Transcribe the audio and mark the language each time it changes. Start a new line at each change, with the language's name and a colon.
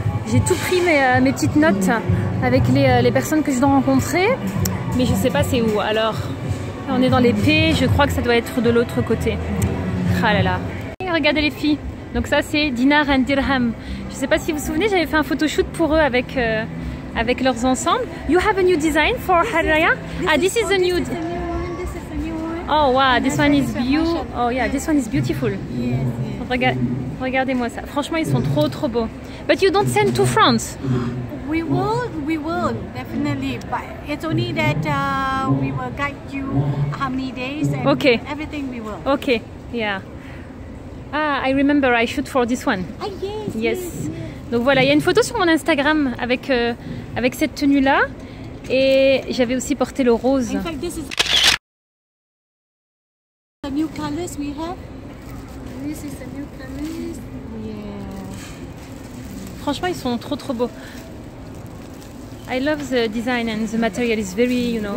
French: J'ai tout pris mes petites notes avec les personnes que je dois rencontrer, mais je sais pas c'est où. Alors, on est dans les P, je crois que ça doit être de l'autre côté. Ah là là. Et regardez les filles. Donc ça, c'est Dinar and Dirham. Je sais pas si vous vous souvenez, j'avais fait un photoshoot pour eux avec avec leurs ensembles.
English: You have a new design for Hari Raya? This is the new one. Oh wow, this one is beautiful. Oh yeah, this one is beautiful. Yes, yes.
French: Regardez-moi ça. Franchement, ils sont trop beaux.
English: But you don't send to France. We will definitely. But it's only that we will guide you how many days and okay. Everything we will. Okay. Yeah. Ah, I remember I shoot for this one. Ah yes.
French: Donc voilà, il y a une photo sur mon Instagram avec avec cette tenue là et j'avais aussi porté le rose.
English: In fact, this is new colors we have. This is the new colors. Yeah.
French: Franchement, ils sont trop beaux.
English: I love the design and the material is very, you know.